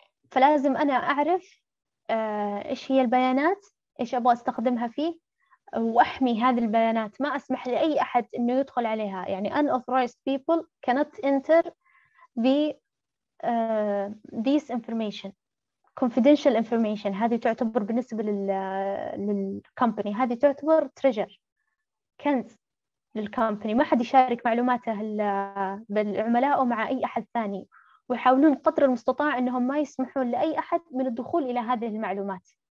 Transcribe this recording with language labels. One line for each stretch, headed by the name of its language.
Arabic: فلازم أنا أعرف إيش هي البيانات، إيش أبغى أستخدمها فيه، وأحمي هذه البيانات، ما أسمح لأي أحد إنه يدخل عليها.
English: يعني unauthorized people cannot enter the this information. confidential information
Arabic: هذه تعتبر بالنسبة لل company، هذه تعتبر treasure، كنز لل company. ما حد يشارك معلوماته بالعملاء ومع أي أحد ثاني، ويحاولون قدر المستطاع أنهم ما يسمحون لأي أحد من الدخول إلى هذه المعلومات.